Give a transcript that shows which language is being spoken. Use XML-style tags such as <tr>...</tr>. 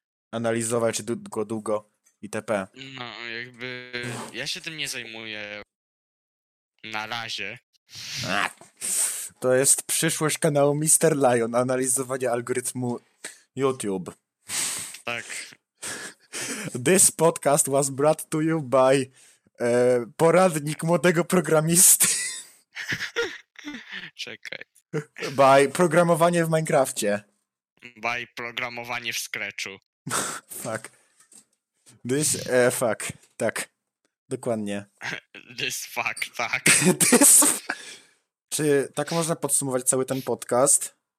<pl>Analizować długo, długo itp. No, jakby, ja się tym nie zajmuję na razie. To jest przyszłość kanału Mr. Lion, analizowanie algorytmu YouTube. Tak.</pl> <en>This podcast was brought to you by</en> <pl>poradnik młodego programisty. Czekaj. By programowanie w Minecrafcie. Baj programowanie w Scratchu.</pl> <en>Fuck. This, fuck.</en> <pl>Tak. Dokładnie.</pl> <en>This fuck,</en> <pl>tak.</pl> <en>This.</en> <pl>Czy tak można podsumować cały ten podcast?</pl>